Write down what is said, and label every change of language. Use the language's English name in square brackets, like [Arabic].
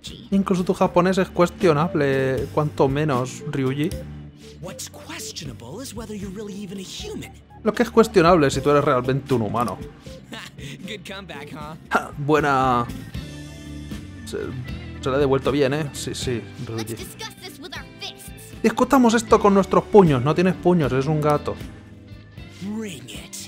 [Spanish] Incluso tu japonés es cuestionable, cuanto menos, Ryuji. [English] What's questionable is whether you're really even a human. [Spanish] Lo que es cuestionable es si tú eres realmente un humano. [English] Good comeback, huh? [Spanish] Buena. Se la he devuelto bien, ¿eh? Sí, sí, Ryuji. [English] Let's discuss this with our fists. [Spanish] Discutamos esto con nuestros puños. No tienes puños, eres un gato. [English] Bring it.